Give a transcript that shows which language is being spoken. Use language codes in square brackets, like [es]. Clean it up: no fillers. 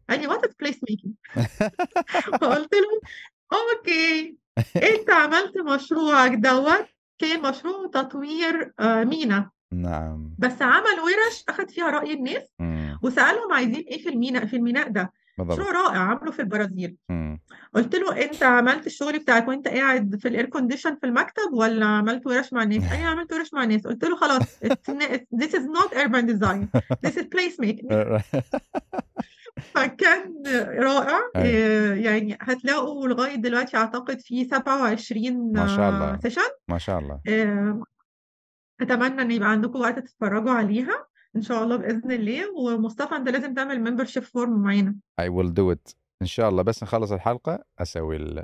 [ar] قال لي [en] What is place making? [ar] فقلت له اوكي، انت عملت مشروعك دوت كان مشروع تطوير مينا، نعم بس عمل ورش اخذ فيها راي الناس وسالهم عايزين ايه في الميناء. في الميناء ده مشروع بالضبط رائع عمله في البرازيل. قلت له انت عملت الشغل بتاعك وانت قاعد في الاير كونديشن في المكتب، ولا عملت ورش مع الناس؟ قال لي عملت ورش مع الناس. قلت له خلاص، [en] this is not urban design, this is placemaking. [ar] فكان رائع أي يعني. هتلاقوا لغايه دلوقتي اعتقد في 27 ما شاء الله سيشن، ما شاء الله اتمنى ان يبقى عندكم وقت تتفرجوا عليها ان شاء الله باذن الله. ومصطفى انت لازم تعمل ممبرشيب فورم معانا [en] I will do it [ar] إن شاء الله بس نخلص الحلقة أسوي الـ